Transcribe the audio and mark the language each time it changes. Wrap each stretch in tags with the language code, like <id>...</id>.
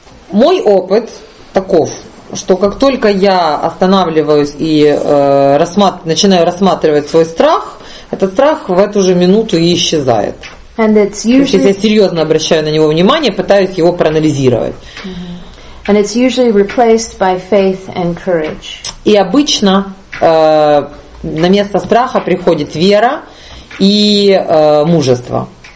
<ru>Мой опыт таков, что как только я останавливаюсь и начинаю рассматривать свой страх, этот страх в эту же минуту и исчезает.</ru> <en>And it's usually,</en> <ru>если я серьезно обращаю на него внимание, пытаюсь его проанализировать.</ru> <en>And it's usually replaced by faith and courage.</en> <ru>И обычно на место страха приходит вера и мужество.</ru>